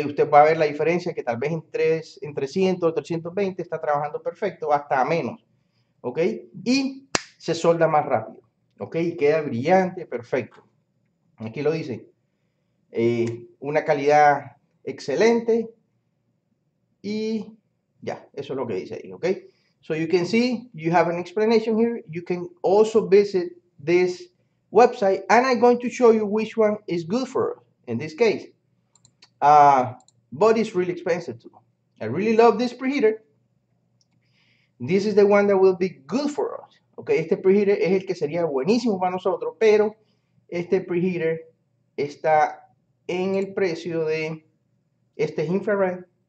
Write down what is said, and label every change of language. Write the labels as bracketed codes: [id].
[es] Usted va a ver la diferencia que tal vez en 300 o 320 está trabajando perfecto, hasta menos, ok. Y se solda más rápido, ok. Y queda brillante, perfecto. Aquí lo dice. Una calidad excelente. Y ya, eso es lo que dice ahí, ok. [en] So you can see you have an explanation here. You can also visit this website, and I'm going to show you which one is good for us in this case. But it's really expensive too. I really love this preheater. This is the one that will be good for us. [es] Okay, este preheater es el que sería buenísimo para nosotros, pero este preheater está en el precio de este infrared.